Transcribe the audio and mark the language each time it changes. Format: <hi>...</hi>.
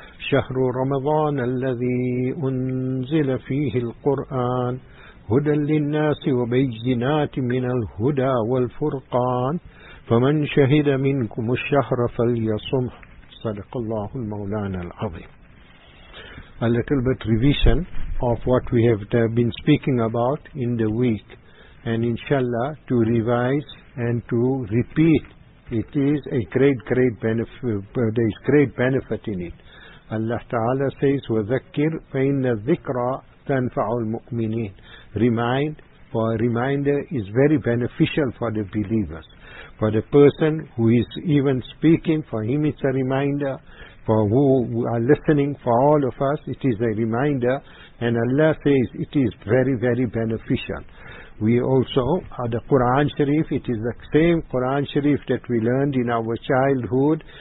<ar>شهر رمضان الذي أنزل فيه القرآن هدى للناس وبينات من الهدى والفرقان، فمن شهد منكم الشهر فليصمه. صدق الله المولانا العظيم.</ar> <en>A little bit revision of what we have been speaking about in the week, and inshallah to revise and to repeat. It is a great benefit. There is great benefit in it. Allah Ta'ala says,</en> <ar>وَذَكِّرْ فَإِنَّ الذِّكْرَ تَنْفَعُ الْمُؤْمِنِينَ.</ar> <en>Remind, for a reminder is very beneficial for the believers. For the person who is even speaking, for him it's a reminder. For who are listening, for all of us, it is a reminder. And Allah says it is very, very beneficial. We also, the Quran Sharif, it is the same Quran Sharif that we learned in our childhood.</en>